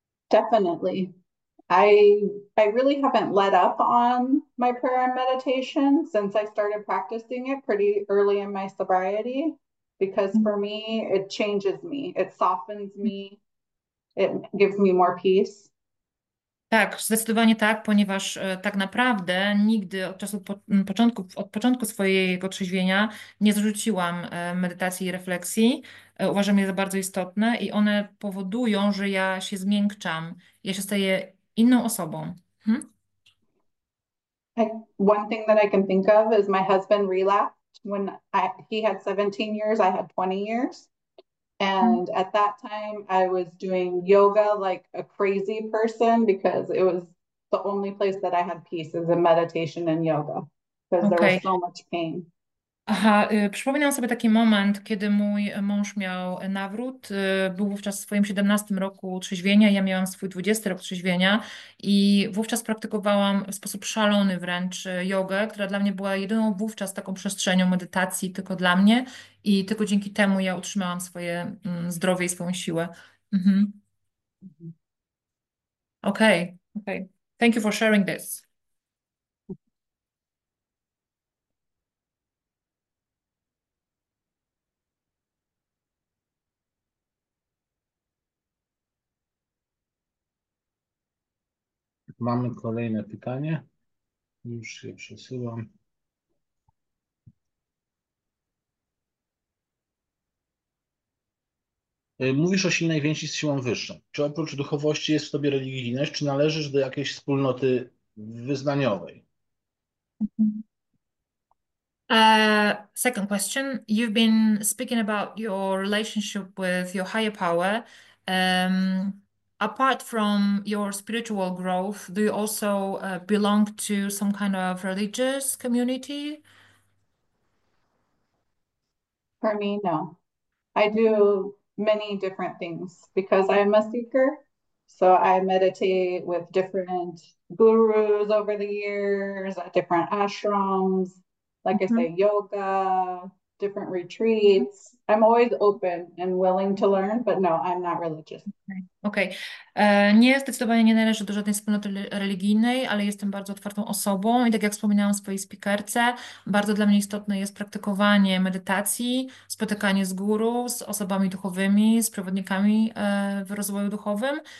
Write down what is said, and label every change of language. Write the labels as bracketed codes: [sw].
[en] definitely. I really haven't let up on my prayer and meditation since I started practicing it pretty early in my sobriety, because for me, it changes me. It softens me. It gives me more peace. [pl] Tak, zdecydowanie tak, ponieważ tak naprawdę nigdy od czasu od początku swojego trzeźwienia nie zrzuciłam medytacji i refleksji. Uważam je za bardzo istotne i one powodują, że ja się zmiękczam, ja się staję inną osobą. [en] One thing that I can think of is my husband relapsed when he had 17 years, I had 20 years. And at that time, I was doing yoga like a crazy person because it was the only place that I had peace is in meditation and yoga because there was Okay. so much pain. [pl] Aha, przypominam sobie taki moment, kiedy mój mąż miał nawrót. Był wówczas w swoim 17 roku trzeźwienia, ja miałam swój 20 rok trzeźwienia i wówczas praktykowałam w sposób szalony wręcz jogę, która dla mnie była jedyną wówczas taką przestrzenią medytacji tylko dla mnie i tylko dzięki temu ja utrzymałam swoje zdrowie i swoją siłę. [en] Okay. Thank you for sharing this. [pl] Mamy kolejne pytanie. Już je przesyłam. Mówisz o silnej więzi z siłą wyższą. Czy oprócz duchowości jest w tobie religijność, czy należysz do jakiejś wspólnoty wyznaniowej? [en] Second question. You've been speaking about your relationship with your higher power. Apart from your spiritual growth, do you also belong to some kind of religious community? For me, no. I do many different things because I'm a seeker. So I meditate with different gurus over the years at different ashrams, like I say, yoga, different retreats. I'm always open and willing to learn, but no, I'm not religious. [pl] Nie, zdecydowanie nie należę do żadnej wspólnoty religijnej, ale jestem bardzo otwartą osobą i tak jak wspominałam w swojej speakerce, bardzo dla mnie istotne jest praktykowanie medytacji, spotykanie z guru, z osobami duchowymi, z przewodnikami w rozwoju duchowym.